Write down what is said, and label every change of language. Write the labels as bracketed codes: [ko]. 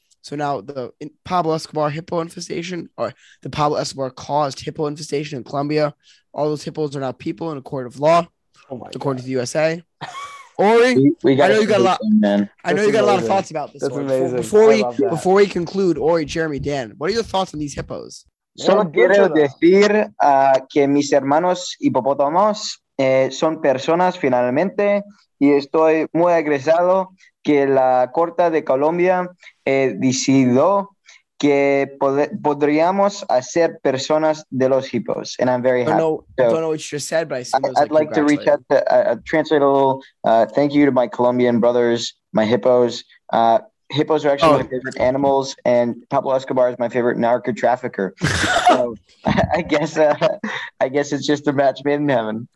[en] So now Pablo Escobar hippo infestation, or the Pablo Escobar caused hippo infestation in Colombia, all those hippos are now people in a court of law, according to the USA. Ori, I know you got a lot of thoughts about this. That's amazing. Before we conclude, Ori, Jeremy, Dan, what are your thoughts on these hippos? [es] Solo quiero decir que mis hermanos hipopótamos son personas finalmente, y estoy muy agresado que la Corte de Colombia decidió que podríamos hacer personas de los hippos, [en] and I'm very happy. I'd like to translate a little thank you to my Colombian brothers, my hippos. Hippos are actually my favorite animals, and Pablo Escobar is my favorite narco trafficker. So I guess it's just a match made in heaven.